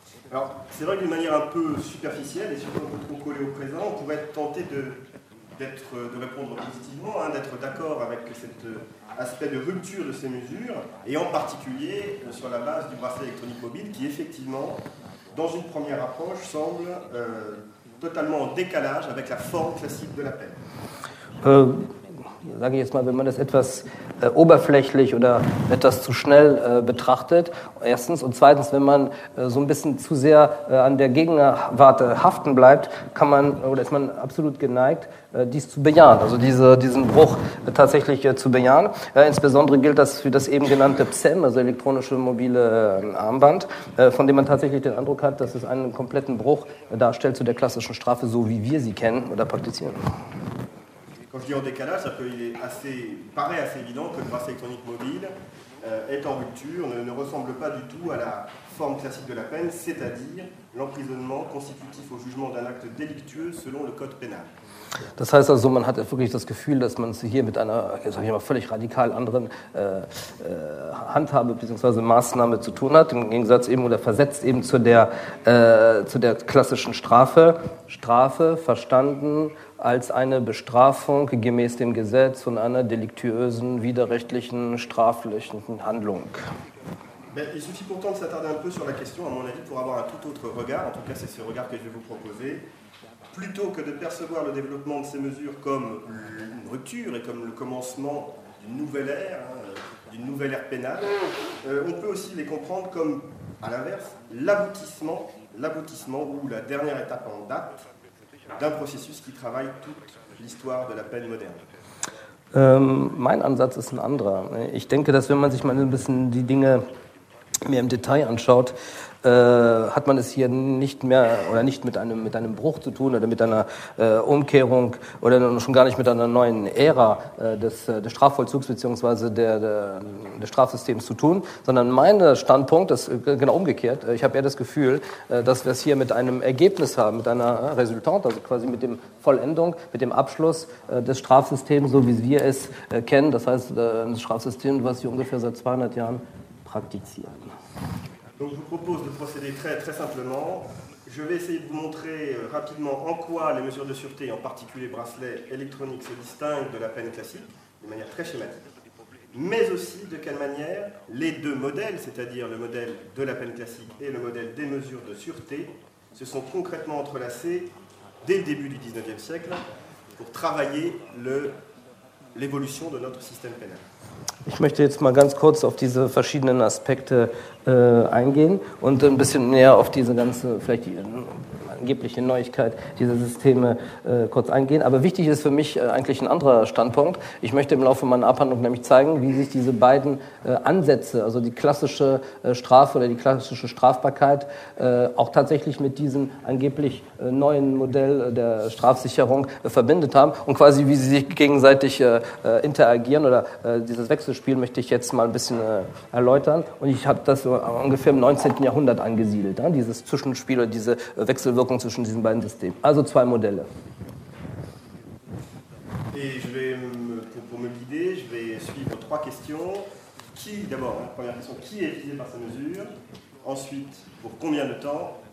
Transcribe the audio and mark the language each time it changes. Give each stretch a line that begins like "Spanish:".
French: Alors, c'est vrai que d'une manière un peu superficielle et surtout un peu trop collée au présent, on pourrait être tenté de répondre positivement, hein, d'être d'accord avec cet aspect de rupture de ces mesures, et en particulier sur la base du bracelet électronique mobile qui, effectivement, dans une première approche, semble totalement en décalage avec la forme classique de la peine.
German: Sage ich jetzt mal, wenn man das etwas oberflächlich oder etwas zu schnell betrachtet, erstens, und zweitens, wenn man so ein bisschen zu sehr an der Gegenwart haften bleibt, kann man oder ist man absolut geneigt, dies zu bejahen, also diesen Bruch tatsächlich zu bejahen. Insbesondere gilt das für das eben genannte PSEM, also elektronische mobile Armband, von dem man tatsächlich den Eindruck hat, dass es einen kompletten Bruch darstellt zu der klassischen Strafe, so wie wir sie kennen oder praktizieren. Quand je dis en décalage, c'est-à-dire qu'il paraît assez évident que le bracelet électronique mobile est en rupture, ne ressemble pas du tout à la forme classique de la peine, c'est-à-dire l'emprisonnement constitutif au jugement d'un acte délictueux selon le code pénal. Das heißt also, man hat wirklich das Gefühl, dass man es hier mit einer, sag ich mal, völlig radikal anderen Handhabe bzw. Maßnahme zu tun hat, im Gegensatz eben oder versetzt eben zu der klassischen Strafe. Strafe verstanden als eine Bestrafung gemäß dem Gesetz und einer deliktuösen, widerrechtlichen, straflichen Handlung.
French: Il suffit pourtant de s'attarder un peu sur la question, à mon avis, pour avoir un tout autre regard. En tout cas, c'est ce regard que je vais vous proposer. Plutôt que de percevoir le développement de ces mesures comme une rupture et comme le commencement d'une nouvelle ère, d'une nouvelle ère pénale, on peut aussi les comprendre comme, à l'inverse, l'aboutissement ou la dernière étape en date d'un processus qui travaille toute l'histoire de la peine moderne.
German: Mein Ansatz ist ein anderer. Ich denke, dass wenn man sich mal ein bisschen die Dinge mehr im Detail anschaut, hat man es hier nicht mehr oder nicht mit einem Bruch zu tun oder mit einer Umkehrung oder schon gar nicht mit einer neuen Ära des Strafvollzugs bzw. des Strafsystems zu tun, sondern mein Standpunkt ist genau umgekehrt. Ich habe eher das Gefühl, dass wir es hier mit einem Ergebnis haben, mit einer Resultante, also quasi mit dem Vollendung, mit dem Abschluss des Strafsystems, so wie wir es kennen, das heißt ein Strafsystem, was wir ungefähr seit 200 Jahren praktizieren. Donc je vous propose de procéder très très simplement. Je vais essayer de vous montrer rapidement en quoi les mesures de sûreté, en particulier bracelets électroniques, se distinguent de la peine classique, de manière très schématique, mais aussi de quelle manière les deux modèles, c'est-à-dire le modèle de la peine classique et le modèle des mesures de sûreté, se sont concrètement entrelacés dès le début du 19e siècle pour travailler l'évolution de notre système pénal. Ich möchte jetzt mal ganz kurz auf diese verschiedenen Aspekte eingehen und ein bisschen näher auf diese ganze, vielleicht die, angebliche Neuigkeit, diese Systeme kurz eingehen. Aber wichtig ist für mich eigentlich ein anderer Standpunkt. Ich möchte im Laufe meiner Abhandlung nämlich zeigen, wie sich diese beiden Ansätze, also die klassische Strafe oder die klassische Strafbarkeit, auch tatsächlich mit diesem angeblich neuen Modell der Strafsicherung verbindet haben und quasi wie sie sich gegenseitig interagieren oder dieses Wechselspiel möchte ich jetzt mal ein bisschen erläutern. Und ich habe das so ungefähr im 19. Jahrhundert angesiedelt, dieses Zwischenspiel oder diese Wechselwirkung zwischen diesen beiden Systemen. Also zwei Modelle.
French: Et je vais me, pour me guider, je vais suivre trois questions. Qui, d'abord, première question, qui est visé par ces mesures? Ensuite, pour combien de temps?